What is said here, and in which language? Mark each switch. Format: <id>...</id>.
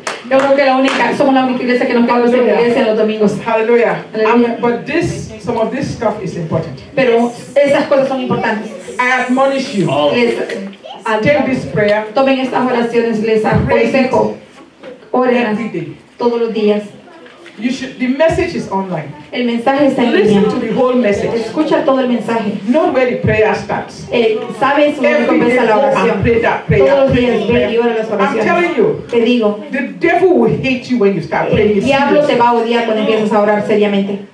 <es>Yo creo que la única, somos la única iglesia que nos queda en iglesia los domingos.</es> <en>Hallelujah. But this, some of this stuff is important.</en> <es>Pero esas cosas son importantes.</es> <en>I admonish you. Take this prayer.</en> <es>Tomen estas oraciones, les aconsejo. Oren todos los días.</es> <en>You should, the message is online.</en> <es>El mensaje está en línea.</es> <en>Listen to the whole message.</en> <es>Escucha todo el mensaje.</es> <en>Know where the prayer starts.</en> <es>Sabes dónde comienza la oración.</es> <en>Pray that prayer.</en> <es>Todos los días ve y ora las oraciones.</es> <en>I'm telling you.</en> <es>Te digo.</es> <en>The devil will hate you when you start praying.</en> <es>El diablo te va a odiar cuando empiezas a orar seriamente.</es>